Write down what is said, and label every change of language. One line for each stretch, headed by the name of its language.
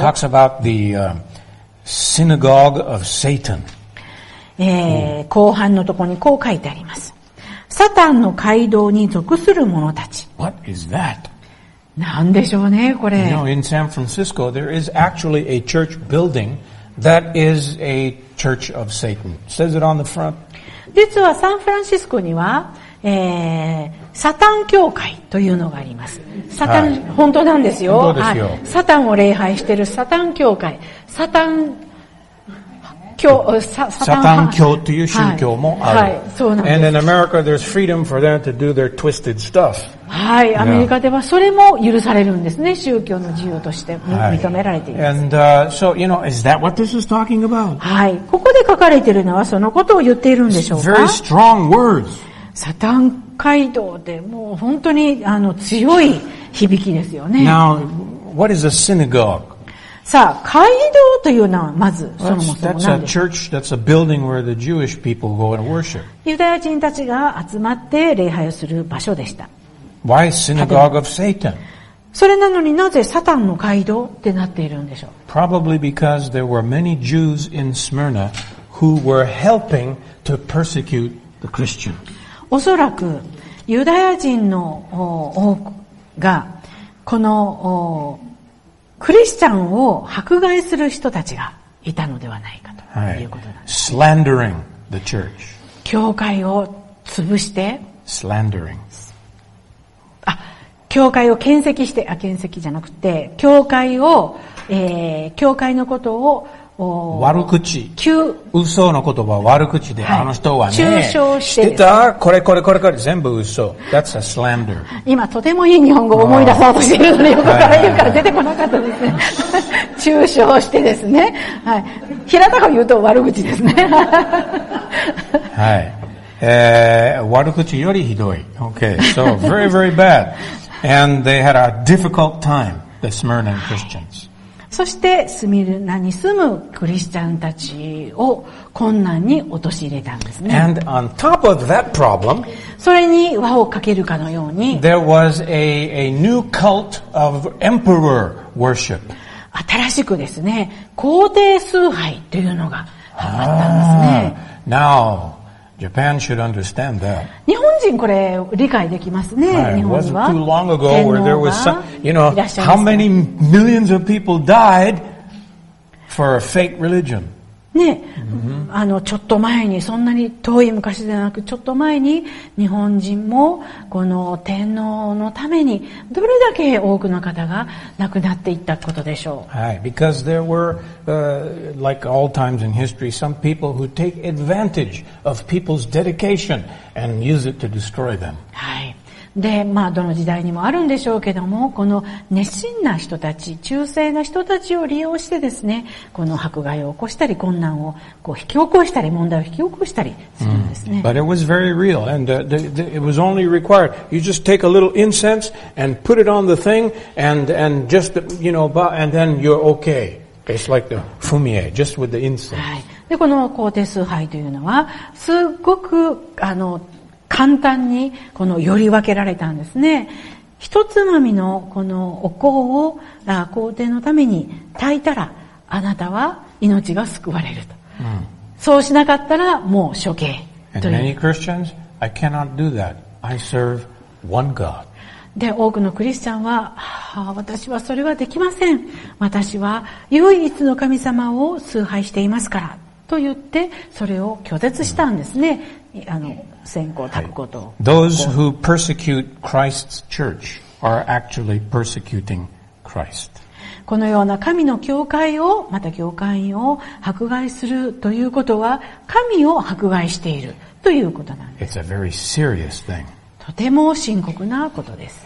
English: Talks about the synagogue of Satan.
Japanese: 後半のところにこう書いてあります。サタンの会堂に属する者たち。
English: What is that?
Japanese: なんでしょうねこれ。
English: You know, in San Francisco, there is actually a church building that is a church of Satan. Says it on the front.
Japanese: 実はサンフランシスコには。サタン教会というのがあります。サタン、はい、本当なんですよ。はい。サタンを礼拝しているサタン教会、サタン教、サタン教という宗教もある。はい、はい、そうなんです。
English: And in America, there's freedom for them to do their twisted stuff.
Japanese: はい、アメリカではそれも許されるんですね。宗教の自由として、はい、認められています。
English: And so you know, is that what this is talking about?
Japanese: はい、ここで書かれているのはそのことを言っているんでしょうか。
English: Very strong words.
Japanese: サタン街道でもう本当に強い響きですよね。
English: Now, what is a synagogue?
Japanese: さあ、街道というのはまずそもそも何ですか?
English: That's a church, that's a building where the Jewish people go and worship.
Japanese: ユダヤ人たちが集まって礼拝をする場所でした。
English: Why synagogue of Satan?
Japanese: それなのになぜサタンの街道ってなっているんでしょう?
English: Probably because there were many Jews in Smyrna who were helping to persecute the Christians.
Japanese: おそらくユダヤ人の多くがこのクリスチャンを迫害する人たちがいたのではないかということなんです。
English: Slandering the church.
Japanese: 教会を潰して。
English: Slandering.
Japanese: 教会を建設して、建設じゃなくて、教会を、教会のことを悪口。嘘の言葉は悪口で、はい、あの人はね。中傷してる。してたこれこれこれこれ全部嘘。
English: That's a slander.
Japanese: 今とてもいい日本語を思い出そうとしているので横から言うから出てこなかったですね。中傷してですね。はい。平たく言うと悪口ですね。はい。悪口よりひどい。
English: Okay. So, very, very bad. And they had a difficult time, the Smyrna Christians.
Japanese: そしてスミルナに住むクリスチャンたちを困難に陥れたんですね。
English: And on top of that problem,
Japanese: それに輪をかけるかのように
English: there was a new cult of emperor worship.
Japanese: 新しくですね、皇帝崇拝というのが始まったんですね。
English: Now, Japan should understand that.
Japanese: 日本人これ理解できますね。
English: Right.
Japanese: 日本人は天皇が
English: You know, how many millions of people died for a fake religion? ね、mm-hmm.
Japanese: ちょっと前に、そんなに遠い昔じゃなく、ちょっと前に、日本人も、この天皇のために、どれだけ多くの方が亡くなっていったことでしょう。はい。
English: Because there were, like all times in history, some people who take advantage of people's dedication and use it to destroy them.
Japanese: はい。で、まあ、どの時代にもあるんでしょうけども、この熱心な人たち、忠誠な人たちを利用してですね、この迫害を起こしたり、困難をこう引き起こしたり、問題を引き起こしたりするんですね。
English: But it was very real, and it was only required. You just take a little incense and put it on the thing, and just, you know, and then you're okay. It's like the fumie, just with the incense.
Japanese: はい。で、この皇帝崇拝というのは、すごく、簡単にこのより分けられたんですね。一つまみのこのお香を皇帝のために炊いたらあなたは命が救われると。そうしなかったらもう処刑という。
English: And many Christians, I cannot do that. I serve one God.
Japanese: で、多くのクリスチャンは、はあ、私はそれはできません。私は唯一の神様を崇拝していますからと言ってそれを拒絶したんですね。
English: Those who persecute Christ's church are actually persecuting Christ.
Japanese: このような神の教会をまた教会員を迫害するということは神を迫害しているということなんです。
English: It's a very serious thing.
Japanese: とても深刻なことです。